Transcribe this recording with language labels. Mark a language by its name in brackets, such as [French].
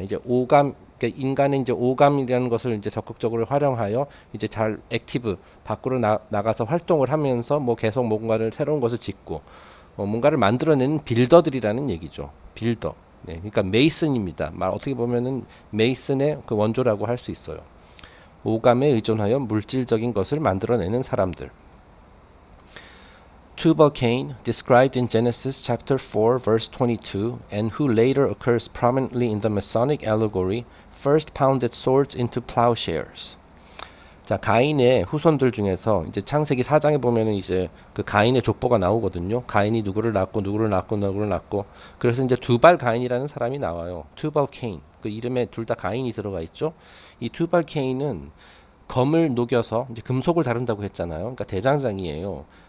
[Korean] 이제 오감, 그러니까 인간의 이제 오감이라는 것을 이제 적극적으로 활용하여 이제 잘 액티브 밖으로 나가서 활동을 하면서 뭐 계속 뭔가를 새로운 것을 짓고 뭔가를 만들어내는 빌더들이라는 얘기죠. 빌더. 네, 그러니까 메이슨입니다. 말 어떻게 보면은 메이슨의 그 원조라고 할수 있어요. 오감에 의존하여 물질적인 것을 만들어내는 사람들. [English] Tubal Cain, described in Genesis chapter 4, verse 22, and who later occurs prominently in the Masonic allegory, first pounded swords into plowshares. [Korean] 자, 가인의 후손들 중에서 이제 창세기 4장에 보면은 이제 그 가인의 족보가 나오거든요. 가인이 누구를 낳고 누구를 낳고 누구를 낳고, 그래서 이제 두발 가인이라는 사람이 나와요. 투발 케인, 그 이름에 둘다 가인이 들어가 있죠. 이 투발 케인은 검을 녹여서 이제 금속을 다룬다고 했잖아요. 그러니까 대장장이에요.